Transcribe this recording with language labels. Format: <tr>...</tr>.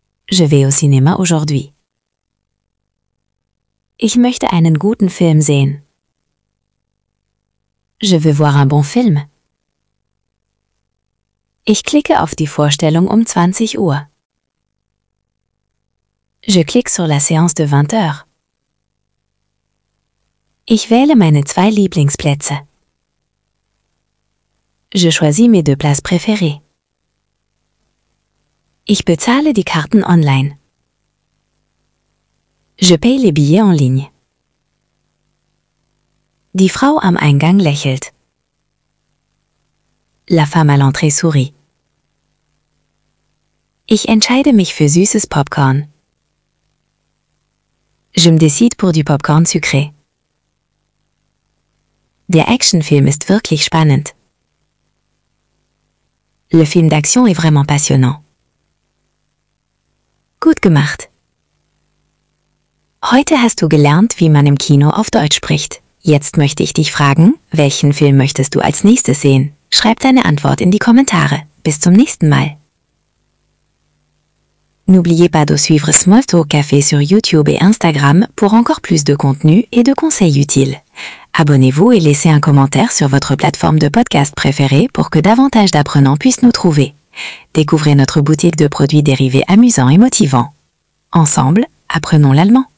<fr>Je vais au cinéma aujourd'hui.</fr> <de>Ich möchte einen guten Film sehen.</de> <fr>Je veux voir un bon film.</fr> <de>Ich klicke auf die Vorstellung um 20 Uhr.</de> <fr>Je clique sur la séance de 20 heures.</fr> <de>Ich wähle meine zwei Lieblingsplätze.</de> <fr>Je choisis mes deux places préférées.</fr> <de>Ich bezahle die Karten online.</de> <fr>Je paye les billets en ligne.</fr> <de>Die Frau am Eingang lächelt.</de> <fr>La femme à l'entrée sourit.</fr> <de>Ich entscheide mich für süßes Popcorn.</de> <fr>Je me décide pour du popcorn sucré.</fr> <de>Der Actionfilm ist wirklich spannend.</de> <fr>Le film d'action est vraiment passionnant.</fr> <de>Gut gemacht. Heute hast du gelernt, wie man im Kino auf Deutsch spricht. Jetzt möchte ich dich fragen, welchen Film möchtest du als nächstes sehen? Schreib deine Antwort in die Kommentare. Bis zum nächsten Mal.</de> <fr>N'oubliez pas de suivre Small Talk Café sur YouTube et Instagram pour encore plus de contenu et de conseils utiles. Abonnez-vous et laissez un commentaire sur votre plateforme de podcast préférée pour que davantage d'apprenants puissent nous trouver. Découvrez notre boutique de produits dérivés amusants et motivants. Ensemble, apprenons l'allemand.</fr>